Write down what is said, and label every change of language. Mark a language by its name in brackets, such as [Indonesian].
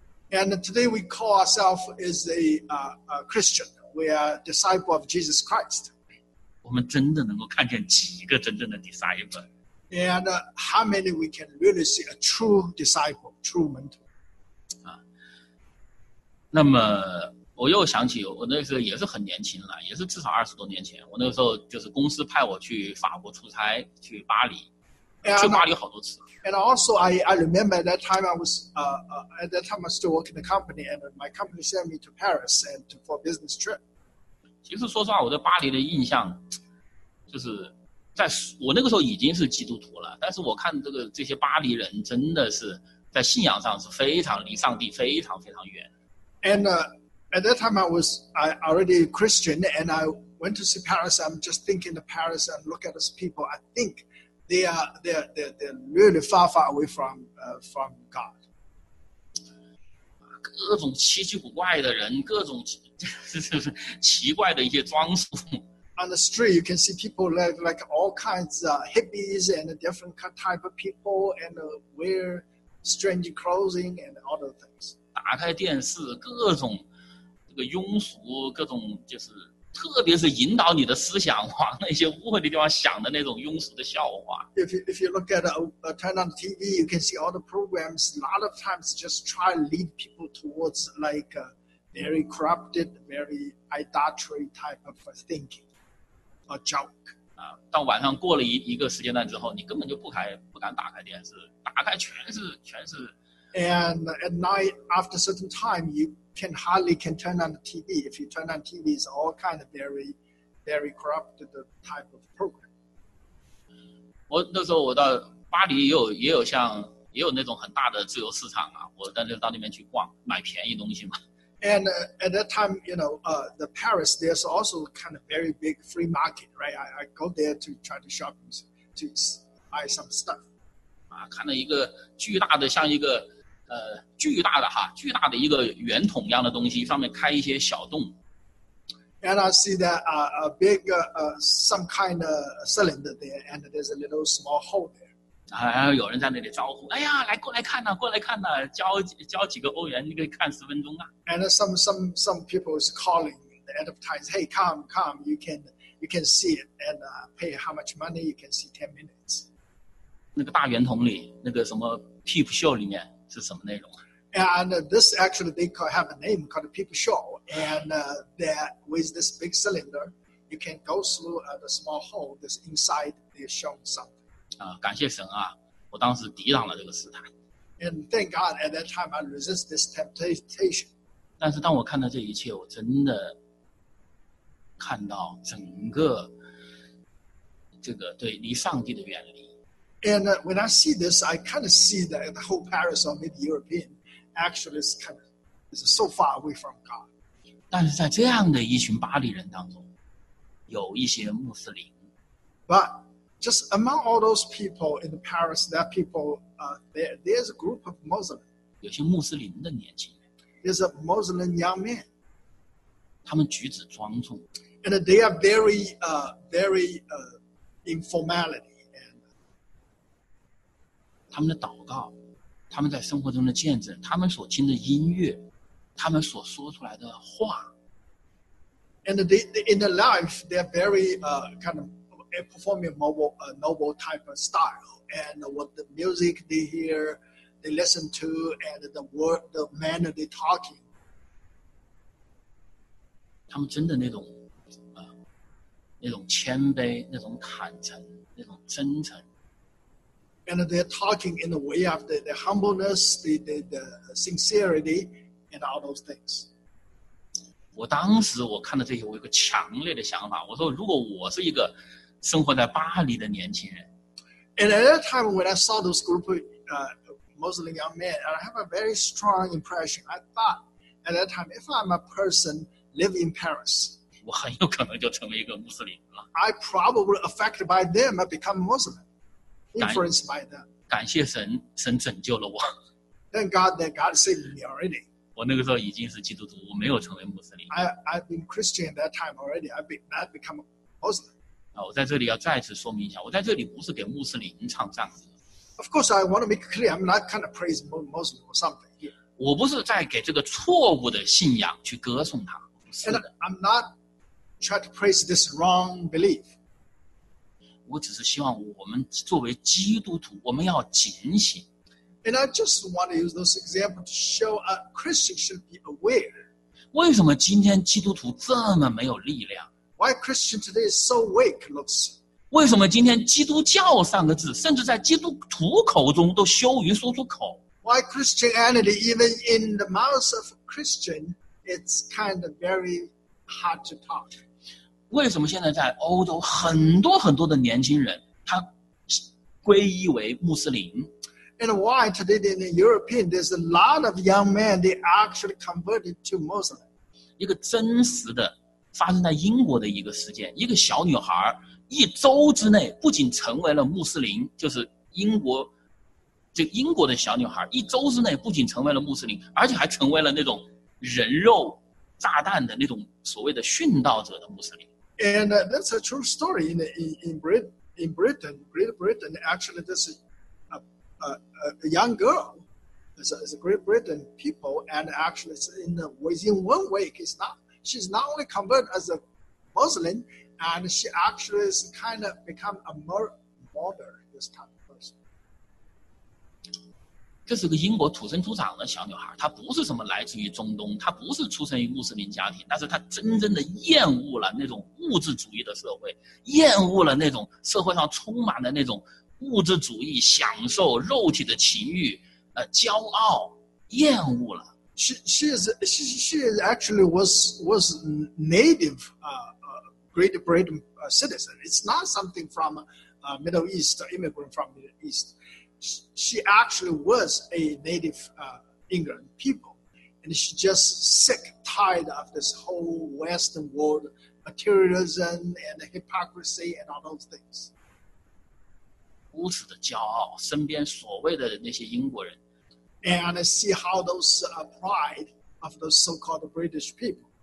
[English] And today we call ourselves is a Christian. We are disciples of Jesus Christ. [Chinese] 我们真的能够看见几个真正的 disciple. [English] And how many we can really see a true disciple, true mentor? [Chinese] 那么我又想起我那时候也是很年轻了，也是至少二十多年前。我那个时候就是公司派我去法国出差，去巴黎，去巴黎好多次。 [English] And also, I remember at that time I was at that time I was still working in the company, and my company sent me to Paris and for a business trip. [Chinese] 其实说实话，我对巴黎的印象，就是在我那个时候已经是基督徒了。但是我看这些巴黎人真的是在信仰上是非常离上帝非常非常远。 [English] And at that time I already Christian, and I went to see Paris. I'm just thinking of Paris and look at those people. I think. they're really far far away from God. [Chinese] 各种奇奇古怪的人，各种奇怪的一些装束。 [English] On the street, you can see people like all kinds of hippies and different type of people and wear strange clothing and other things. [Chinese] 打开电视，各种这个庸俗，各种就是，特别是引导你的思想往那些污秽的地方想的那种庸俗的笑话。 [English] If you look at a turn on TV, you can see all the programs. A lot of times, just try to lead people towards like very corrupted, very idolatry type of thinking. A joke. [Chinese] 啊，到晚上过了一个时间段之后，你根本就不敢打开电视，打开全是。 [English] And at night, after a certain time, you can hardly turn on the TV. If you turn on TV, it's all kind of very, very corrupted type of program. [Chinese] 我那时候我到巴黎也有那种很大的自由市场啊，我在那到那边去逛，买便宜东西嘛。 [English] And at that time, you know, the Paris there's also kind of very big free market, right? I go there to try to shop to buy some stuff. [Chinese] 啊，看到一个巨大的像一个。巨大的一个圆筒一样的东西，上面开一些小洞。 [English] And I see that a big some kind of cylinder there, and there's a little small hole there. [Chinese] 啊，有人在那里招呼，哎呀，来过来看呐、啊，过来看呐、啊，交几个欧元，你可以看十分钟啊。 [English] And some people is calling the advertise, hey, come, you can see it, and pay how much money, you can see 10 minutes. [Chinese] 那个大圆筒里，那个什么 peep show 里面。是什么内容啊? [English] And this actually they have a name called Peep Show, and that with this big cylinder, you can go through the small hole that's inside. They show something. [Chinese] 啊，感谢神啊！我当时抵挡了这个试探。 [English] And thank God at that time I resist this temptation. [Chinese] 但是当我看到这一切，我真的看到整个这个对离上帝的远离。 [English] And when I see this, I kind of see that the whole Paris or maybe European actually is kind of is so far away from God. [Chinese] 但是在这样的一群巴黎人当中，有一些穆斯林。 [English] But just among all those people in Paris, that people, there's a group of Muslim. [Chinese] 有些穆斯林的年轻人。 [English] There's a Muslim young man. [Chinese] 他们举止庄重。 [English] And they are very, very, informality. [Chinese] 他们的祷告，他们在生活中的见证，他们所听的音乐，他们所说出来的话。 [English] And they, in the life, they're very kind of performing noble type of style. And what the music they hear, they listen to, and the word, the manner they're talking. [Chinese] 他们真的那种谦卑，那种坦诚，那种真诚。 [English] And they're talking in a way of the humbleness, the sincerity, and all those things. [Chinese] 我当时我看到这些，我有个强烈的想法。我说，如果我是一个生活在巴黎的年轻人 [English] ，And at that time when I saw those group of Muslim young men, I have a very strong impression. I thought at that time, if I'm a person living in Paris, [Chinese] 我很有可能就成为一个穆斯林了。 [English] I probably affected by them, I become Muslim. Influenced by that. [Chinese] 感谢神，神拯救了我。 [English] Thank God that God saved me already. [Chinese] 我那个时候已经是基督徒，我没有成为穆斯林。 [English] I've been Christian at that time already. I've become a Muslim. [Chinese] 啊，我在这里要再次说明一下，我在这里不是给穆斯林唱赞歌。 [English] Of course, I want to make clear, I'm not kind of praise Muslim or something here. [Chinese] 我不是在给这个错误的信仰去歌颂他。 [English] And I'm not trying to praise this wrong belief. [Chinese] 我只是希望我们作为基督徒，我们要警醒。 [English] And I just want to use those examples to show a Christian should be aware. [Chinese] 为什么今天基督徒这么没有力量 [English] ？Why Christian today is so weak looks? [Chinese] 为什么今天基督教三个字，甚至在基督徒口中都羞于说出口 [English] ？Why Christianity even in the mouth of a Christian it's kind of very hard to talk? [Chinese] 为什么现在在欧洲很多很多的年轻人他皈依为穆斯林 [English] ？And why today in the European there's a lot of young men they actually converted to Muslim？ [Chinese] 一个真实的发生在英国的一个事件，一个小女孩一周之内不仅成为了穆斯林，就是英国，就英国的小女孩，一周之内不仅成为了穆斯林，而且还成为了那种人肉炸弹的那种所谓的殉道者的穆斯林。 [English] And that's a true story in Britain, Great Britain. Actually, this is a young girl. It's a Great Britain people, and actually, it's in the, within 1 week. It's not. She's not only converted as a Muslim, and she actually is kind of become a martyr this type of person. [Chinese] 这是个英国土生土长的小女孩，她不是什么来自于中东，她不是出生于穆斯林家庭，但是她真正的厌恶了那种物质主义的社会，厌恶了那种社会上充满的那种物质主义，享受肉体的情欲，骄傲，厌恶了。 [English] She actually was native Great Britain citizen. It's not something from Middle East, immigrant from Middle East. She actually was a native England people, and she just sick, tired of this whole Western world materialism and hypocrisy and all those things. [Chinese] 如此的骄傲，身边所谓的那些英国人。 [English] And see how those pride of those so-called British people.